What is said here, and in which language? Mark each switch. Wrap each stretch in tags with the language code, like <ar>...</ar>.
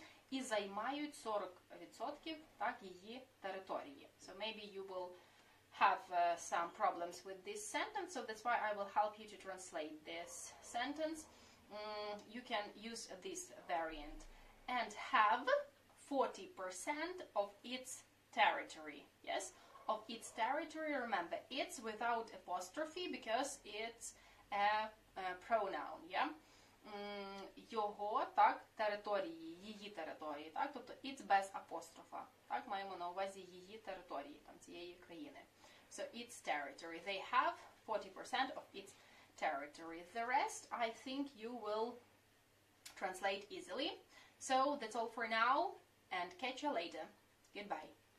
<uk>І займають 40% так її території.</uk> <en>So maybe you will have some problems with this sentence, so that's why I will help you to translate this sentence. You can use this variant. And have 40% of its territory. Yes, of its territory. Remember, it's without apostrophe because it's a pronoun.</en> <uk>Yeah, його так території, її території, так, тобто</uk> <en>it's</en> <uk>без апострофа. Так, маємо на увазі її території, там цієї країни.</uk> <en>So its territory. They have 40% of its territory. The rest, I think, you will translate easily. So that's all for now, and catch you later. Goodbye.</en>